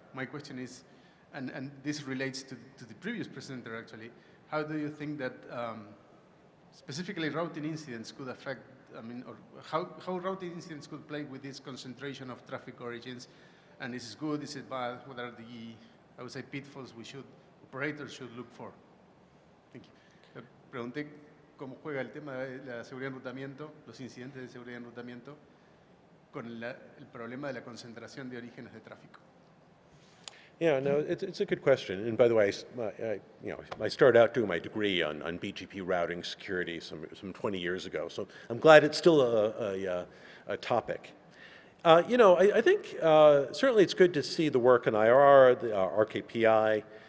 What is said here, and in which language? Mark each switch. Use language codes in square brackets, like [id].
[en] My question is, and this relates to the previous presenter, actually, how do you think that specifically routing incidents could affect, how routing incidents could play with this concentration of traffic origins? And is it good, is it bad? What are the, I would say, pitfalls operators should look for? Thank you. [es] Pregunté cómo juega el tema de la seguridad en rutamiento, los incidentes de seguridad en rutamiento, con el problema de la concentración de orígenes de tráfico. [en] Yeah, no, it's a good question. And by the way, I started out doing my degree on BGP routing security some 20 years ago. So I'm glad it's still a topic. I think certainly it's good to see the work in IRR, the RKPI.